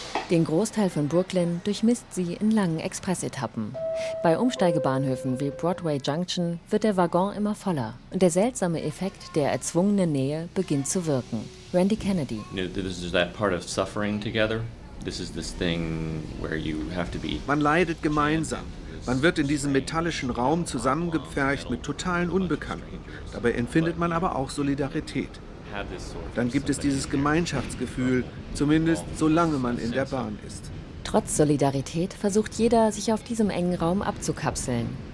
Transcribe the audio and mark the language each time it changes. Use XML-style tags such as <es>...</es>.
<de>Den Großteil von Brooklyn durchmisst sie in langen Expressetappen. Bei Umsteigebahnhöfen wie Broadway Junction wird der Waggon immer voller und der seltsame Effekt der erzwungenen Nähe beginnt zu wirken. Randy Kennedy.</de> <en>This is that part of suffering together. This is this thing where you have to be.</en> <de>Man leidet gemeinsam. Man wird in diesem metallischen Raum zusammengepfercht mit totalen Unbekannten. Dabei empfindet man aber auch Solidarität. Dann gibt es dieses Gemeinschaftsgefühl, zumindest solange man in der Bahn ist. Trotz Solidarität versucht jeder, sich auf diesem engen Raum abzukapseln.</de>